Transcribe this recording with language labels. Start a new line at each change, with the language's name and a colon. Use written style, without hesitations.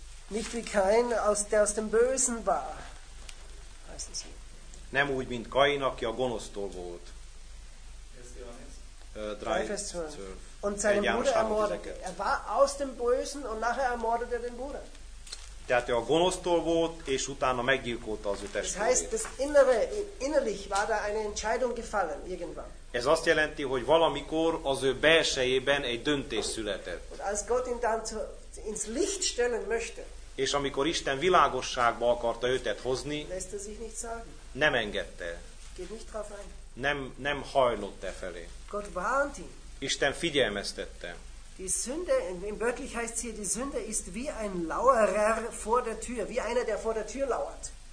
German: Nicht wie Kain, der aus dem Bösen war. Heißt es hier.
Hungarian: Nem úgy, mint Kain, aki a gonosztól volt. 3, vers 12.
German: Und seinen Bruder ermordete. Er war aus dem Bösen und nachher ermordete er den Bruder.
Hungarian: Tehát ő a gonosztól volt, és utána meggyilkolta az ő testvérét.
German: Das heißt, das innere, innerlich war da eine Entscheidung gefallen, irgendwann.
Hungarian: Ez azt jelenti, hogy valamikor az ő belsejében egy döntés született.
German: Und als Gott ihn dann ins Licht stellen möchte,
Hungarian: és amikor Isten világosságba akarta őtet hozni,
German: lässt er sich nicht sagen.
Hungarian: Nem engedte.
German: Geht nicht drauf ein.
Hungarian: Nem hajlott e felé.
German: Gott warnt ihn.
Hungarian: Isten figyelmeztette.
German: Die Sünde, im wörtlich heißt es hier, die Sünde ist wie ein Lauerer vor der Tür, wie einer, der vor der Tür lauert.